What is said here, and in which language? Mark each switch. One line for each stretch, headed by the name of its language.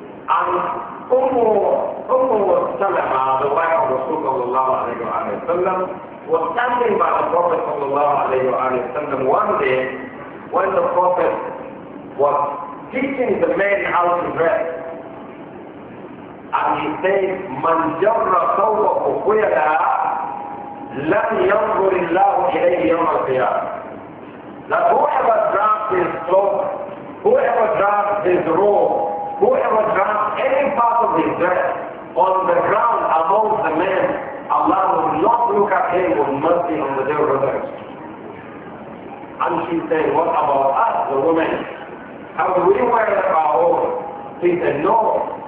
English: And Umm Salama, the wife of Rasul sallallahu alayhi wa sallam, was standing by the Prophet sallallahu alayhi wa sallam one day when the Prophet was teaching the man how to dress. And he said,
Arabic: من جرى ثوبه خيلا لم ينظر الله إليه يوم القيامة.
English: That whoever drops his cloak, whoever drops his robe, whoever drops any part of his dress on the ground among the men, Allah will not look at him with mercy on the day of resurrection. And she said, what about us, the women? Have we wear our own? He said, no.